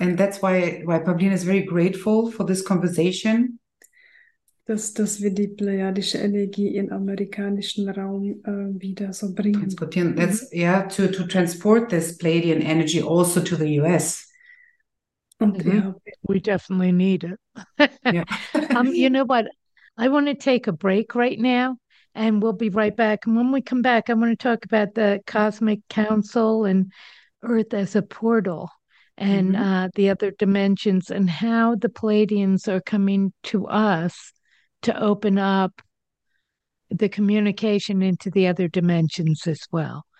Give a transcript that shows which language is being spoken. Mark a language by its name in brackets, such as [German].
[English] And that's why Pavlina is very grateful for this conversation. [German] Dass wir die pleiadische Energie in amerikanischen Raum wieder so bringen. Transportieren. [English] That's, to transport this Pleiadian energy also to the US. [German] Und [English] we definitely need it. you know what? I want to take a break right now. And we'll be right back. And when we come back, I want to talk about the Cosmic Council and Earth as a portal and the other dimensions and how the Pleiadians are coming to us to open up the communication into the other dimensions as well.